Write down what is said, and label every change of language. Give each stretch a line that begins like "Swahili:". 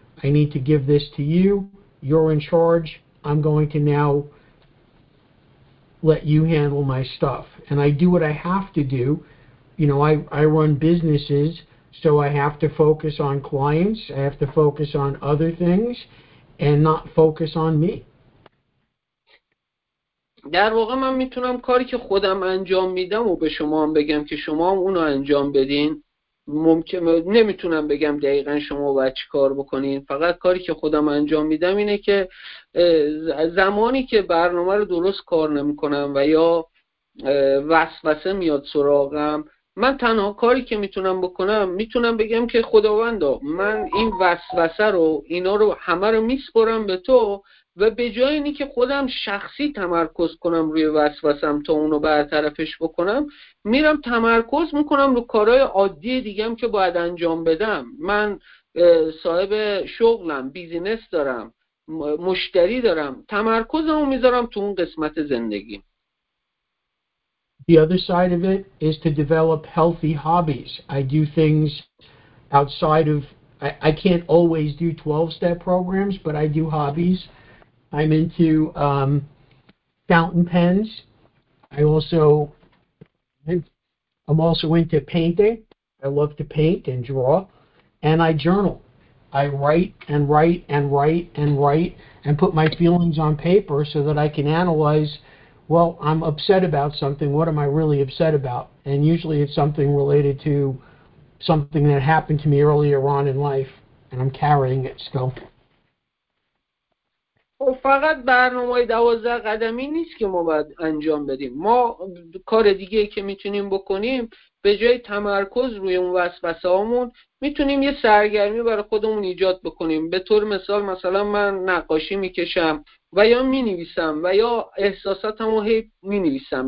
English: I need to give this to you. You're in charge. I'm going to now let you handle my stuff. And I do what I have to do. You know, I run businesses, so I have to focus on clients. I have to focus on other things and not focus on me.
Persian: در واقع من میتونم کاری که خودم انجام میدم و به شما هم بگم که شما هم اونو انجام بدین. ممکنه نمیتونم بگم دقیقا شما باید چی کار بکنین، فقط کاری که خودم انجام میدم اینه که زمانی که برنامه رو درست کار نمیکنم و یا وسوسه میاد سراغم، من تنها کاری که میتونم بکنم میتونم بگم که خداوندا من این وسوسه رو اینا رو همه رو میسپرم به تو، و به جای اینی که خودم شخصی تمرکز کنم روی وسوسم تا اونو برطرفش بکنم، میرم تمرکز میکنم رو کارهای عادی دیگه‌ام که باید انجام بدم. من صاحب شغلم، بیزینس دارم، مشتری دارم، تمرکزمو میذارم تو اون قسمت زندگی.
English: The other side of it is to develop healthy hobbies. I do things outside of I can't always do 12 step programs, but I do hobbies. I'm into fountain pens. I'm also into painting. I love to paint and draw. And I journal. I write and write and write and write and put my feelings on paper so that I can analyze well, I'm upset about something. What am I really upset about? And usually it's something related to something that happened to me earlier on in life, and I'm carrying it still.
Persian: و فقط برنامه‌های 12 قدمی نیست که ما باید انجام بدیم. ما کار دیگه‌ای که می‌تونیم بکنیم، به جای تمرکز روی اون وسوسه‌هامون، می‌تونیم یه سرگرمی برای خودمون ایجاد بکنیم. به طور مثال مثلا من نقاشی می‌کشم و یا می‌نویسم و یا احساساتمو هی می‌نویسم.